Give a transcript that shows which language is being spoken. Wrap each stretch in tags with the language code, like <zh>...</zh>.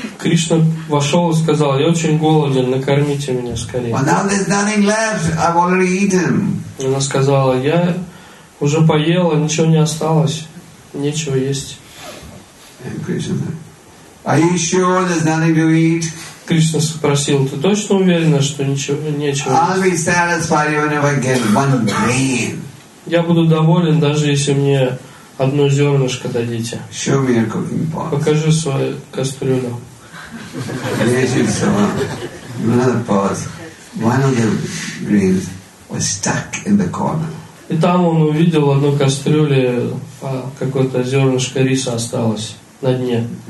<ru>Кришна вошел и сказал: я очень голоден, накормите меня скорее.</ru> <en>Well, now there's nothing left. I've already eaten.</en> <ru>Она сказала: я уже поела, ничего не осталось, нечего есть.</ru> <en>And Krishna, are you sure there's nothing to eat?</en> <ru>Кришна спросил: ты точно уверена, что ничего нечего?</ru> <en>I'll be satisfied even if I get one grain.</en> <ru>Я буду доволен, даже если мне одно зернышко дадите.</ru> <en>Show me your cooking pot.</en> <ru>Покажи свою кастрюлю.</ru> <en>Another pot. One of the grains was stuck in the corner.</en> <ru>И там он увидел одну кастрюлю, какое-то зернышко риса осталось на дне.</ru>